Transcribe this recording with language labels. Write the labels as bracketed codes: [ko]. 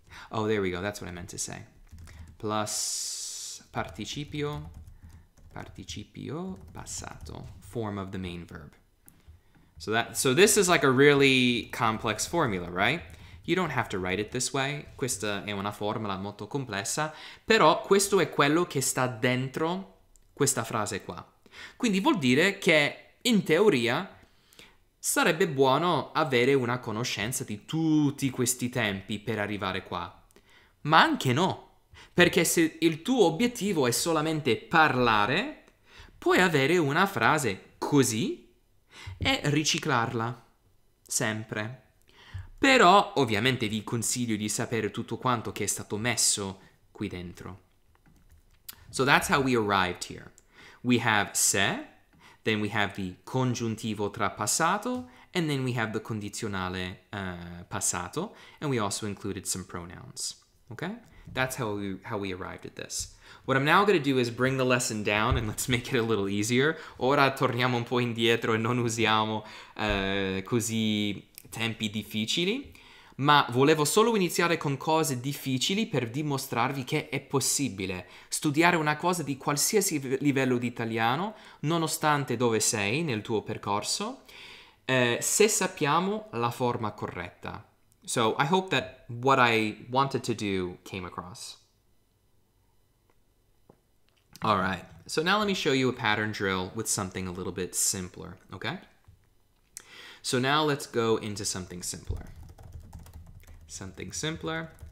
[en] Oh, there we go, that's what I meant to say. Plus participio passato, form of the main verb. So this is like a really complex formula, right? You don't have to write it this way. [it] Questa è una formula molto complessa, però questo è quello che sta dentro questa frase qua. Quindi vuol dire che in teoria sarebbe buono avere una conoscenza di tutti questi tempi per arrivare qua. Ma anche no, perché se il tuo obiettivo è solamente parlare, puoi avere una frase così e riciclarla sempre. Però ovviamente vi consiglio di sapere tutto quanto che è stato messo qui dentro. [en] So that's how we arrived here. We have se, then we have the congiuntivo trapassato. And then we have the condizionale passato, and we also included some pronouns. Okay? That's how we arrived at this. What I'm now going to do is bring the lesson down and let's make it a little easier. [it] Ora torniamo un po' indietro e non usiamo così tempi difficili, ma volevo solo iniziare con cose difficili per dimostrarvi che è possibile studiare una cosa di qualsiasi livello di italiano, nonostante dove sei nel tuo percorso. Se sappiamo la forma corretta. [en] So I hope that what I wanted to do came across. All right, so now let me show you a pattern drill with something a little bit simpler, okay? So now let's go into something simpler. Something simpler.